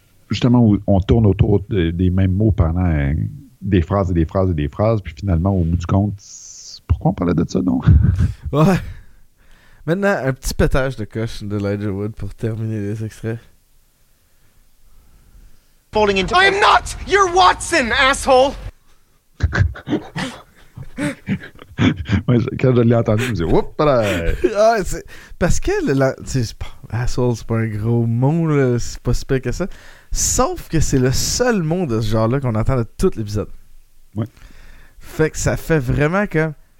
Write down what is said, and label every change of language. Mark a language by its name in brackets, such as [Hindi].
[French] Justement, où on tourne autour des mêmes mots pendant des phrases et des phrases et des phrases, puis finalement, au bout du compte, pourquoi on parlait de ça, non? Ouais. Maintenant, un petit pétage de coche de Elijah Wood pour terminer les extraits. [English] Falling into... I'm not your Watson, asshole! [French] Ouais, quand je l'ai entendu, je me suis dit, oups, ouais, parce que asshole, c'est pas un gros mot, là, c'est pas si pire que ça. Sauf que c'est le seul mot de ce genre-là qu'on entend de tout l'épisode. Ouais. Fait que ça fait vraiment que...